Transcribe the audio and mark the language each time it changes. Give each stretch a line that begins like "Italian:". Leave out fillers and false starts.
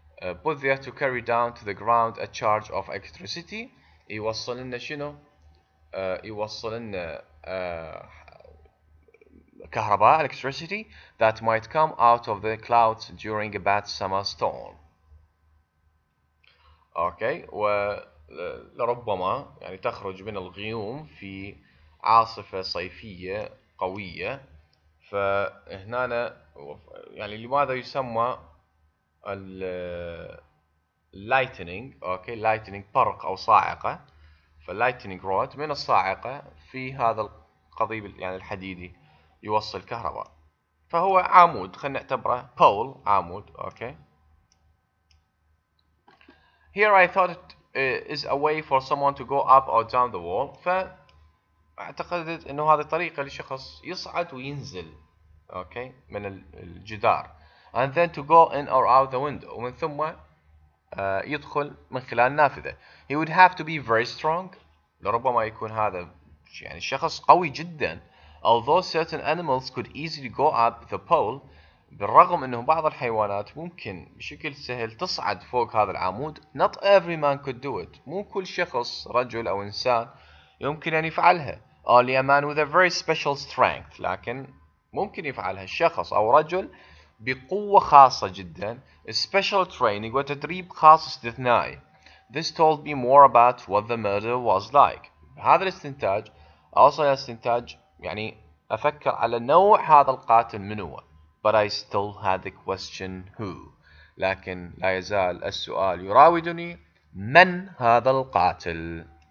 English: Put there to carry down to the ground a charge of electricity.
Arabic: يوصل لنا شنو؟ يوصل لنا كهرباء
English: electricity that might come out of the clouds during a bad summer storm.
Arabic: اوكي ولربما يعني تخرج من الغيوم في عاصفة صيفية قوية. فهنا يعني لماذا يسمى ال lightning؟ اوكي lightning برق او صاعقة. فاللايتنينج رود من الصاعقة في هذا القضيب يعني الحديدي يوصل كهرباء. فهو عمود خلينا نعتبره بول عمود.
English: Okay here I thought it is a way for someone to go up or down the wall.
Arabic: فاعتقدت انه هذه طريقة لشخص يصعد وينزل اوكي من الجدار.
English: And then to go in or out the window.
Arabic: ومن ثم يدخل من خلال النافذة.
English: He would have to be very strong.
Arabic: لربما يكون هذا يعني شخص قوي جدا.
English: Although certain animals could easily go up the pole.
Arabic: بالرغم انه بعض الحيوانات ممكن بشكل سهل تصعد فوق هذا العمود.
English: Not every man could do it.
Arabic: مو كل شخص رجل او انسان يمكن ان يفعلها.
English: Only a man with a very special strength.
Arabic: لكن ممكن يفعلها الشخص او رجل بقوة خاصة جدا.
English: Special training
Arabic: وتدريب خاص استثنائي.
English: This told me more about what the murder was like.
Arabic: هذا الاستنتاج أوصل الاستنتاج يعني أفكر على نوع هذا القاتل من هو.
English: But I still had the question who.
Arabic: لكن لا يزال السؤال يراودني من هذا القاتل.